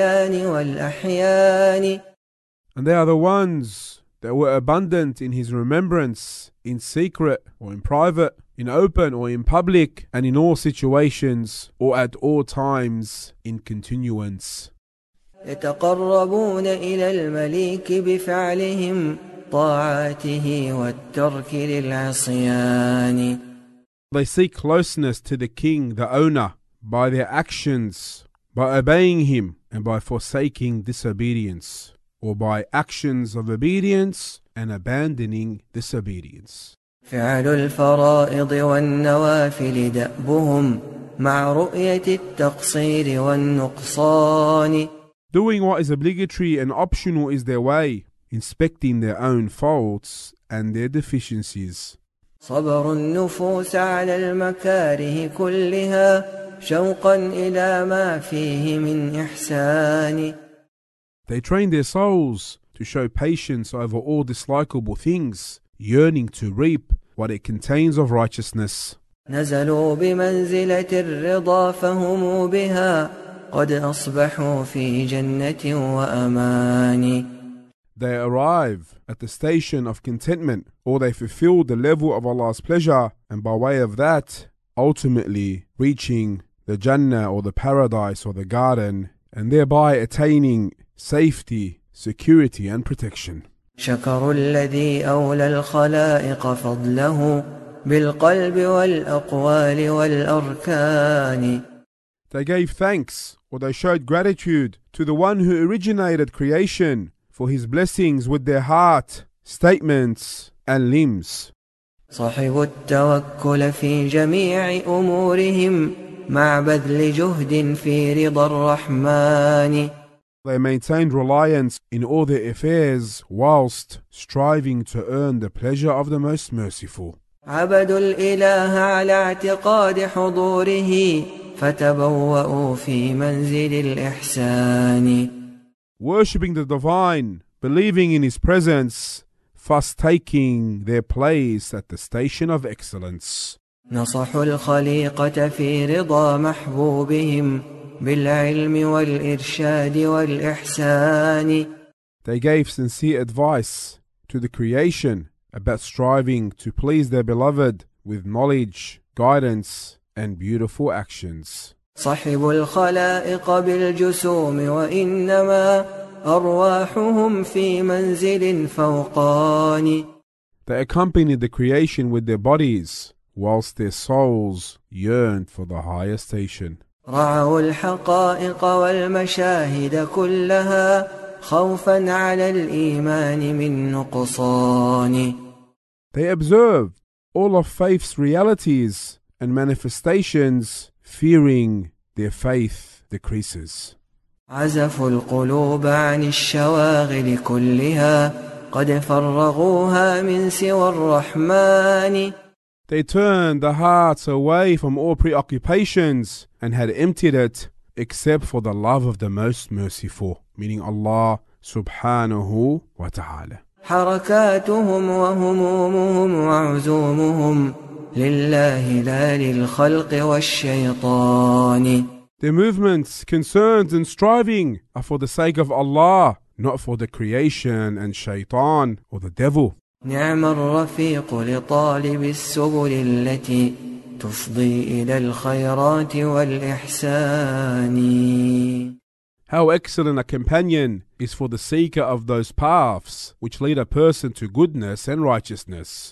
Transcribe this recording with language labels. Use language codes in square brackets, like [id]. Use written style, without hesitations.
[en] And they are the ones that were abundant in his remembrance, in secret or in private, in open or in public, and in all situations or at all times in continuance. [ar] يتقربون إلى المليك بفعلهم طاعته والترك للعصيان. [en] They seek closeness to the king, the owner, by their actions, by obeying him and by forsaking disobedience, or by actions of obedience and abandoning disobedience. [ar] فعل الفرائض والنوافل دأبهم مع رؤية التقصير والنقصان. [en] Doing what is obligatory and optional is their way, inspecting their own faults and their deficiencies. [ar] صبر النفوس على المكاره كلها شوقا إلى ما فيه من إحسان. [en] They train their souls to show patience over all dislikable things, yearning to reap what it contains of righteousness. [ar] نزلوا بمنزلة الرضا فهموا بها قد أصبحوا في جنة وأمان. [en] They arrive at the station of contentment, or they fulfill the level of Allah's pleasure, and by way of that, ultimately reaching the Jannah or the paradise or the garden, and thereby attaining safety, security and protection. [ar] شكروا الذي أولى الخلائق فضله بالقلب والأقوال والأركان. [en] They gave thanks, or they showed gratitude to the one who originated creation for his blessings with their heart, statements, and limbs. [ar] صاحب التوكل في جميع أمورهم مع بذل جهد في رضا الرحمن. [en] They maintained reliance in all their affairs whilst striving to earn the pleasure of the Most Merciful. [ar] عبدوا الإله على اعتقاد حضوره فتبوأوا في منزل الإحسان. [en] Worshipping the Divine, believing in His presence, first taking their place at the station of excellence. [ar] نصحوا الخليقة في رضا محبوبهم بالعلم والإرشاد والإحسان. [en] They gave sincere advice to the creation about striving to please their beloved with knowledge, guidance, and beautiful actions. [ar] صاحب الخلائق بالجسوم وإنما أرواحهم في منزل فوقاني. [en] They accompanied the creation with their bodies, whilst their souls yearned for the higher station. [ar] رعوا الحقائق والمشاهد كلها خوفا على الإيمان من نقصان. [en] They observed all of faith's realities and manifestations, fearing their faith decreases. [ar] عزفوا القلوب عن الشواغل كلها قد فرغوها من سوى الرحمن. [en] They turned the hearts away from all preoccupations and had emptied it except for the love of the Most Merciful, meaning Allah [ar] subhanahu wa ta'ala. حركاتهم وهمومهم وعزومهم لله لا للخلق والشيطان. [en] Their movements, concerns and striving are for the sake of Allah, not for the creation and shaitan or the devil. [ar] نعم الرفيق لطالب السبل التي تفضي إلى الخيرات والإحسان. [en] How excellent a companion is for the seeker of those paths which lead a person to goodness and righteousness.